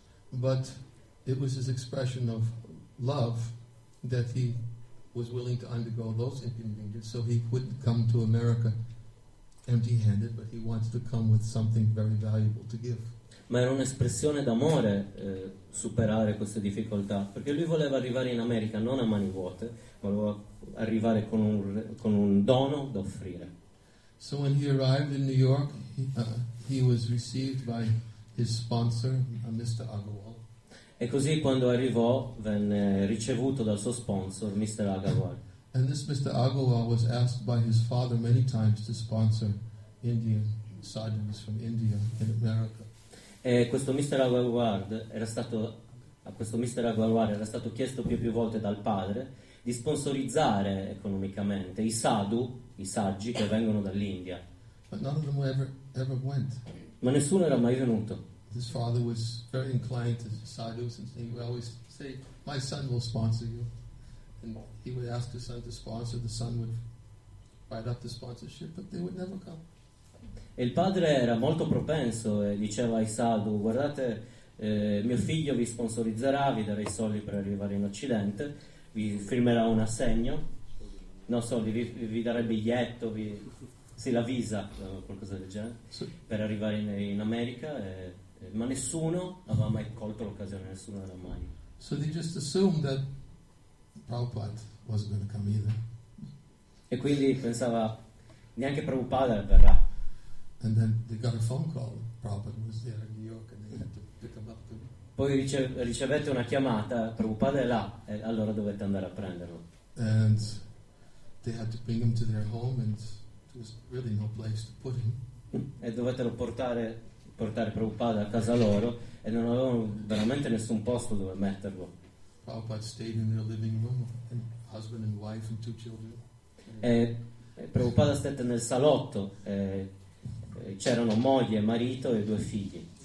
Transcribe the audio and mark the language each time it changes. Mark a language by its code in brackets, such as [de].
[en] But it was his expression of love that he was willing to undergo those inconveniences, so he wouldn't come to America empty-handed, but he wanted to come with something very valuable to give. [it] Ma era un'espressione d'amore superare queste difficoltà, perché lui voleva arrivare in America non a mani vuote, ma voleva arrivare con un dono da offrire. [en] So when he arrived in New York, he was received by his sponsor, Mr. Agarwal. [it] E così quando arrivò venne ricevuto dal suo sponsor, Mr. Agarwal. [en] And this Mr. Agarwal was asked by his father many times to sponsor Indian sadhus from India in America. [it] E questo Mr. Agarwal era stato chiesto più e più volte dal padre di sponsorizzare economicamente i saggi che vengono dall'India. [en] But none of them ever went. [it] Ma nessuno era mai venuto. [en] His father was very inclined to sadhus, and he would always say, "My son will sponsor you." And he would ask the son to sponsor. The son would write up the sponsorship, but they would never come. [it] E il padre era molto propenso e diceva ai sadhu: "Guardate, mio figlio vi sponsorizzerà, vi darà i soldi per arrivare in Occidente, vi firmerà un assegno, non so, vi darà il biglietto, vi sì, la visa, qualcosa del genere, [en] so, [it] per arrivare in America." Ma nessuno aveva mai colto l'occasione, nessuno era mai. [en] So they just assumed that Prabhupada wasn't going to come either. [it] E quindi pensava neanche Prabhupada verrà. [en] And then they got a phone call. Prabhupada was there in New York and they had to pick him up. [it] Poi ricevette una chiamata. Prabhupada è là, e allora dovette andare a prenderlo. [en] And they had to bring him to their home, and there was really no place to put him. [it] E dovettero portare Prabhupada a casa loro e non avevano veramente nessun posto dove metterlo. [en] Prabhupada stayed in their living room, and husband and wife and two children. [it] E Prabhupada stette nel salotto, e c'erano moglie, marito e due figli.